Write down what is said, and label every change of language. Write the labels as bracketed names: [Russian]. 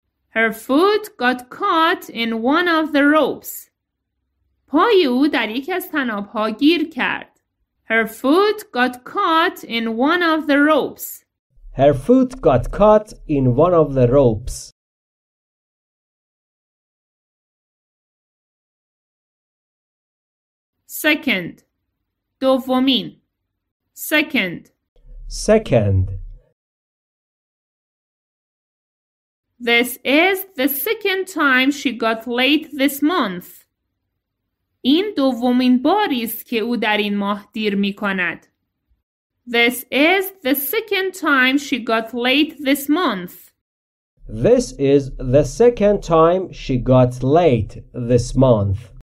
[English] Her foot got caught in one of the ropes. [Persian] پای او در یکی از طناب‌ها گیر کرد. [English] Her foot got caught in one of the ropes. Her foot got caught in one of the ropes. Second. دومین. Second. Second. This is the second time she got late this month. [Persian] این دومین باری است که او در این ماه دیر می کند. [English] This is the second time she got late this month. This is the second time she got late this month.